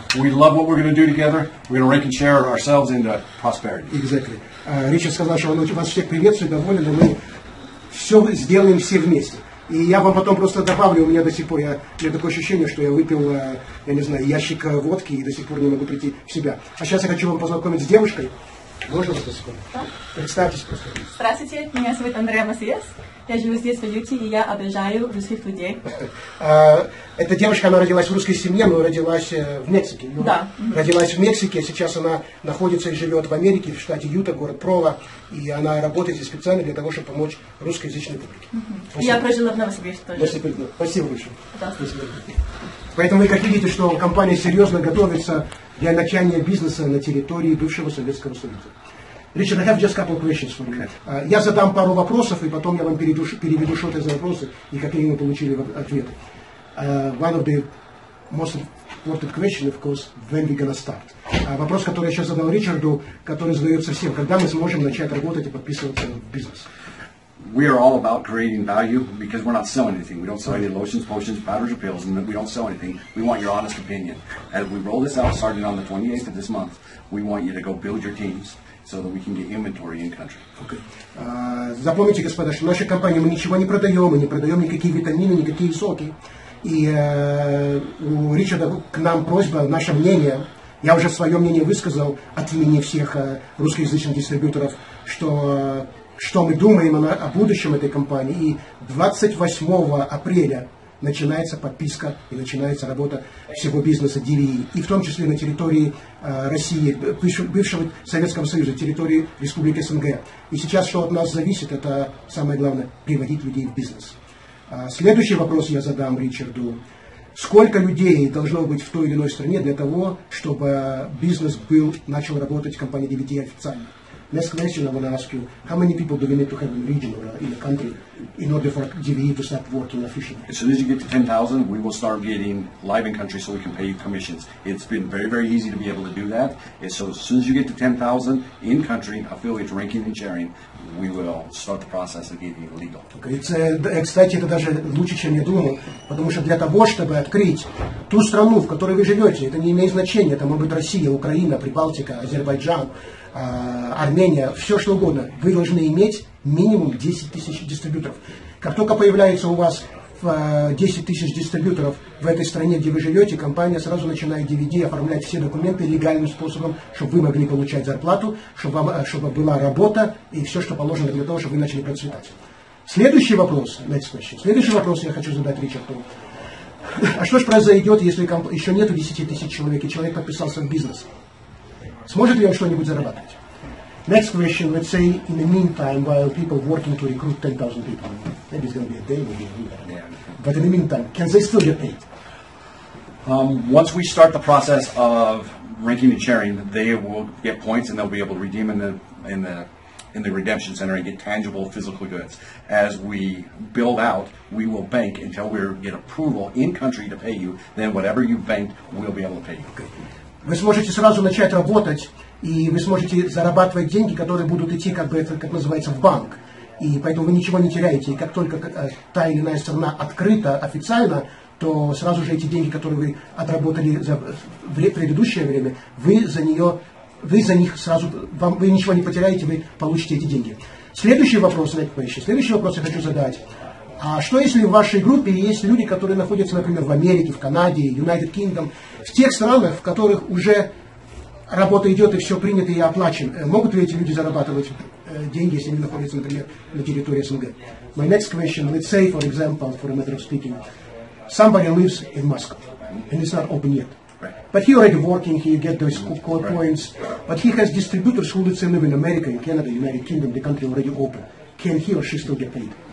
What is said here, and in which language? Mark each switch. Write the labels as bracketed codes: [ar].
[en] We love what we're going to do together. We're going to rank and share ourselves into prosperity. Exactly. [ru] Ричард сказал, что он вас всех приветствует, доволен, и мы все сделаем все вместе. И я вам потом просто добавлю, у меня до сих пор, я такое ощущение, что я выпил, я не знаю, ящик водки и до сих пор не могу прийти в себя. А сейчас я хочу вам познакомить с девушкой. Можно вас познакомить? Да. Представьтесь просто. Здравствуйте, меня зовут Андреа Масиес. Я живу здесь, в Юте, и я обожаю русских людей. Эта девушка, она родилась в русской семье, но родилась в Мексике. Да. Родилась в Мексике, а сейчас она находится и живет в Америке, в штате Юта, город Прово. И она работает здесь специально для того, чтобы помочь русскоязычной публике. Угу. Я прожила в Новосибирске тоже. Спасибо большое. Пожалуйста. Поэтому вы как видите, что компания серьезно готовится Я начальник бизнеса на территории бывшего Советского Союза. [en] Ричард, I have just a couple questions for you. [ru] Я задам пару вопросов, и потом я вам переведу что-то за вопросы, и какие мы получили ответы. [en] One of the most important questions, of course, when we're going to start. [ru] Вопрос, который я сейчас задал Ричарду, который задается всем. Когда мы сможем начать работать и подписываться в бизнес? [en] We are all about creating value because we're not selling anything. We don't sell any lotions, potions, powders, or pills, and we don't sell anything. We want your honest opinion. As we roll this out, starting on the 28th of this month, we want you to go build your teams so that we can get inventory in country. Okay. [ru] Запомните, господа, что наша компания, мы ничего не продаем, мы не продаем никакие витамины, никакие соки. И у Ричарда к нам просьба, наше мнение, я уже свое мнение высказал от имени всех русскоязычных дистрибьюторов, что мы думаем о будущем этой компании, и 28 апреля начинается подписка и начинается работа всего бизнеса DVE, и в том числе на территории России, бывшего Советского Союза, территории Республики СНГ. И сейчас, что от нас зависит, это самое главное, приводить людей в бизнес. Следующий вопрос я задам Ричарду. Сколько людей должно быть в той или иной стране для того, чтобы бизнес был, начал работать в компании DVD официально? [en] Next question I want to ask you, how many people do we need to have in a region or in a country in order for DVE to start working efficiently? As soon as you get to 10,000, we will start getting live in country so we can pay you commissions. It's been very, very easy to be able to do that. And so as soon as you get to 10,000 in country, affiliates, ranking and sharing, we will start the process of getting it legal. Okay. [ru] Кстати, это даже лучше, чем я думал, потому что для того, чтобы открыть ту страну, в которой вы живете, это не имеет значения, это может быть Россия, Украина, Прибалтика, Азербайджан, Армения, все что угодно, вы должны иметь минимум 10 тысяч дистрибьюторов. Как только появляется у вас 10 тысяч дистрибьюторов в этой стране, где вы живете, компания сразу начинает DVD оформлять все документы легальным способом, чтобы вы могли получать зарплату, чтобы была работа и все, что положено для того, чтобы вы начали процветать. Следующий вопрос, я хочу задать Ричарду. А что же произойдет, если еще нету 10 тысяч человек, и человек подписался в бизнес? Сможет ли он что-нибудь зарабатывать? [en] Next question, let's say, in the meantime, while people working to recruit 10,000 people, maybe it's going to be a day, maybe a week, but in the meantime, can they still get paid? Once we start the process of ranking and sharing, they will get points and they'll be able to redeem in the redemption center and get tangible physical goods. As we build out, we will bank until we get approval in country to pay you, then whatever you've banked, we'll be able to pay you. Okay. [ru] Вы сможете сразу начать работать, и вы сможете зарабатывать деньги, которые будут идти, как бы это как называется, в банк. И поэтому вы ничего не теряете. И как только та или иная страна открыта официально, то сразу же эти деньги, которые вы отработали за предыдущее время, вы ничего не потеряете, вы получите эти деньги. Следующий вопрос я хочу задать. А что если в вашей группе есть люди, которые находятся, например, в Америке, в Канаде, United Kingdom, в тех странах, в которых уже работа идет и все принято и оплачено? Могут ли эти люди зарабатывать деньги, если они находятся, например, на территории СНГ? [en] My next question, let's say, for example, for a matter of speaking, somebody lives in Moscow, and it's not open yet. But he already working, he get those code points, but he has distributors who live in America, in Canada, United Kingdom, the country already open. Can he or she still get paid?